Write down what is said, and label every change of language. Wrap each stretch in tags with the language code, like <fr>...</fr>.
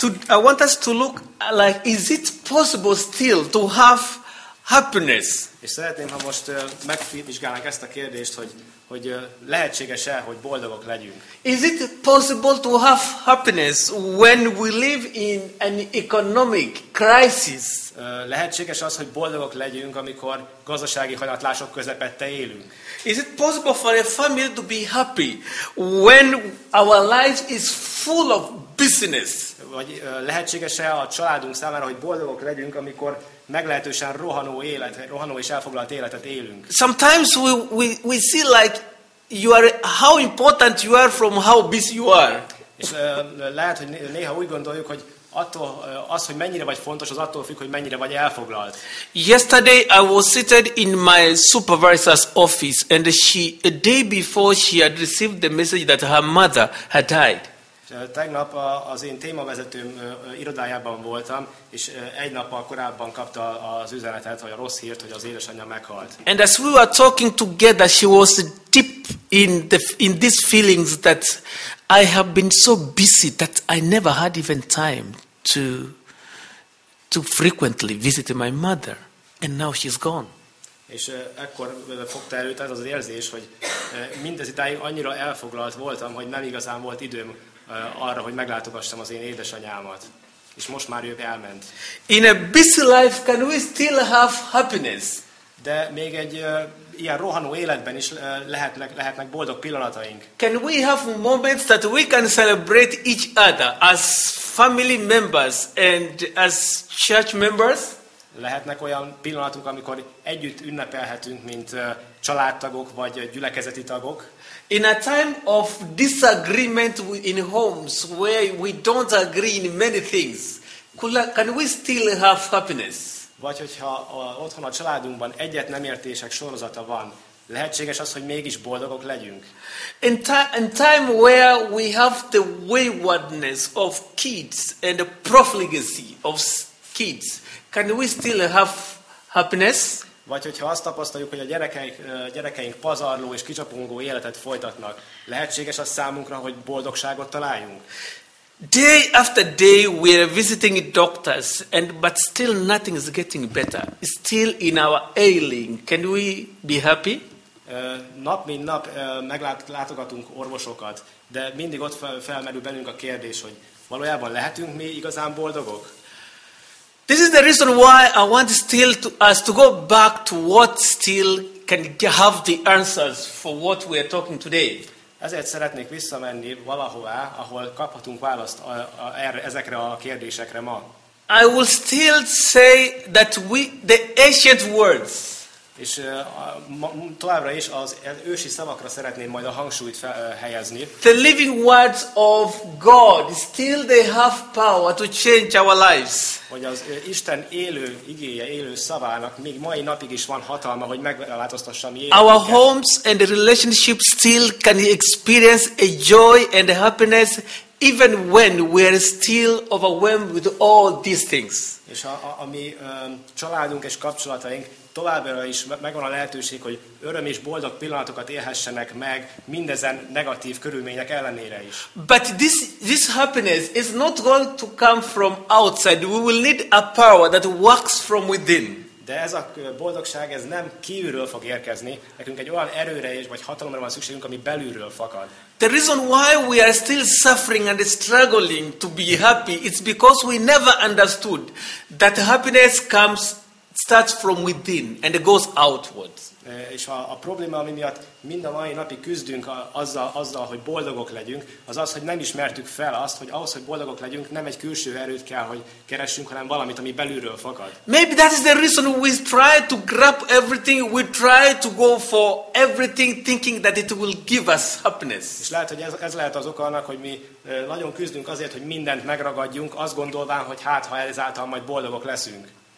<en>I want us to look like, is it possible still to have happiness?</en> <hu>És szeretném, ha most megvizsgálnánk ezt a kérdést, hogy lehetséges-e, hogy boldogok legyünk.</hu> <en>Is it possible to have happiness when we live in an economic crisis?</en> <hu>Lehetséges az, hogy boldogok legyünk, amikor gazdasági hanyatlások közepette élünk.</hu> <en>Is it possible for a family to be happy when our life is full of business?</en> <hu>Vagy lehetséges-e a családunk számára, hogy boldogok legyünk, amikor meglehetősen rohanó élet, rohanó és elfoglalt életet élünk.</hu> <en>Sometimes we see like you are how important you are from how busy you are.</en> <hu>És lehet, hogy néha úgy gondoljuk, hogy attól az, hogy mennyire vagy fontos, az attól függ, hogy mennyire vagy elfoglalt.</hu> <en>Yesterday I was seated in my supervisor's office, and a day before she had received the message that her mother had died.</en> <hu>Tegnap az én témavezetőm irodájában voltam, és egy nappal korábban kapta az üzenetet, vagy a rossz hírt, hogy az édesanyja meghalt.</hu> <en>And as we were talking together, she was deep in these feelings that I have been so busy that I never had even time to frequently visit my mother, and now she's gone.</en> <hu>És ekkor fogta előtt az az érzés, hogy mindez idáig annyira elfoglalt voltam, hogy nem igazán volt időm arra, hogy meglátogassam az én édesanyámat. És most már ő elment.</hu> <en>In a busy life can we still have happiness?</en> <hu>De még egy ilyen rohanó életben is lehetnek boldog pillanataink.</hu> <en>Can we have moments that we can celebrate each other as family members and as church members?</en> <hu>Lehetnek olyan pillanatunk, amikor együtt ünnepelhetünk, mint családtagok vagy gyülekezeti tagok.</hu> <en>In a time of disagreement in homes where we don't agree in many things, can we still have happiness?</en> <hu>Vagy hogyha otthon a családunkban egyet nem értések sorozata van, lehetséges az, hogy mégis boldogok legyünk.</hu> <en>In time where we have the waywardness of kids and the profligacy of kids, can we still have happiness?</en> <hu>Vagy hogyha azt tapasztaljuk, hogy a gyerekeink pazarló és kicsapongó életet folytatnak, lehetséges az számunkra, hogy boldogságot találjunk?</hu> <en>Day after day we are visiting doctors, but still nothing is getting better. Still in our ailing, can we be happy?</en> <hu>Nap mint nap meglátogatunk orvosokat, de mindig ott felmerül bennünk a kérdés, hogy valójában lehetünk mi igazán boldogok?</hu> <en>This is the reason why I want still us to go back to what still can have the answers for what we are talking today.</en> <hu>Ezért szeretnék visszamenni valahová, ahol kaphatunk választ ezekre a kérdésekre ma.</hu> <en>I will still say that the ancient words.</en> <hu>És továbbra is az ősi szavakra szeretném majd a hangsúlyt helyezni.</hu> <en>The living words of God, still they have power to change our lives.</en> <hu>Hogy az Isten élő igéje, élő szavának még mai napig is van hatalma, hogy megváltoztassa mi életünket.</hu> <en>Our homes and the relationships still can experience a joy and a happiness even when we are still overwhelmed with all these things.</en> <hu>És a mi családunk és kapcsolataink továbbra is megvan a lehetőség, hogy öröm és boldog pillanatokat élhessenek meg mindezen negatív körülmények ellenére is.</hu> <en>But this happiness is not going to come from outside. We will need a power that works from within.</en> <hu>De ez a boldogság ez nem kívülről fog érkezni. Nekünk egy olyan erőre is vagy hatalomra van szükségünk, ami belülről fakad.</hu> <en>The reason why we are still suffering and struggling to be happy, it's because we never understood that happiness comes starts from within and it goes outwards.</en> <hu>És a probléma, ami miatt mind a mai napig küzdünk azzal, hogy boldogok legyünk, az, hogy nem ismertük fel azt, hogy ahhoz, hogy boldogok legyünk, nem egy külső erőt kell, hogy keressünk, hanem valamit, ami belülről fakad.</hu> <en>Maybe that is the reason we try to grab everything, we try to go for everything, thinking that it will give us happiness.</en> <hu>És lehet, hogy ez lehet az oka annak, hogy mi nagyon küzdünk azért, hogy mindent megragadjunk, azt gondolván, hogy hát, ha ezáltal majd boldogok leszünk.</hu>